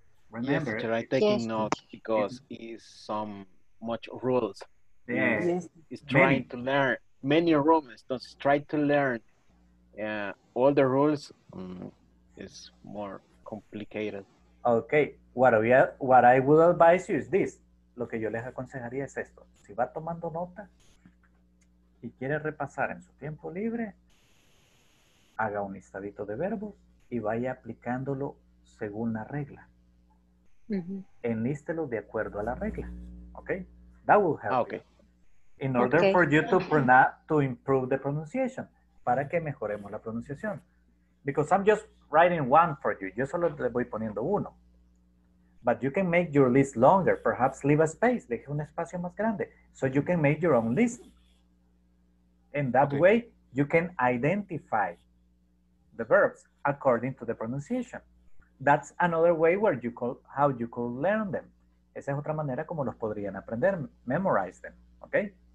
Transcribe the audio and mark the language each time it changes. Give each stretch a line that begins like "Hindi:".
English: Remember, yes, I'm taking notes because it's some much rules. Yes, is trying many. To learn many rules. Don't try to learn all the rules. Is more complicated. Okay, what I would advise you is this.
Spanish: Lo que yo les aconsejaría es esto. Si va tomando nota y quiere repasar en su tiempo libre, haga un listadito de verbos y vaya aplicándolo según la regla. Mm-hmm. Enlístelo de acuerdo a la regla.
English: Okay, that will help. Okay. You. In order for you to improve the pronunciation.
Spanish: para que mejoremos la pronunciación.
English: Because I'm just writing one for you.
Spanish: Yo solo le voy poniendo uno.
English: But you can make your list longer. Perhaps leave a space.
Spanish: Deje un espacio más grande.
English: So you can make your own list. In that okay. way, you can identify the verbs according to the pronunciation. That's another way where you call, how you could learn them.
Spanish: Esa es otra manera como los podrían aprender,
English: memorize them, okay?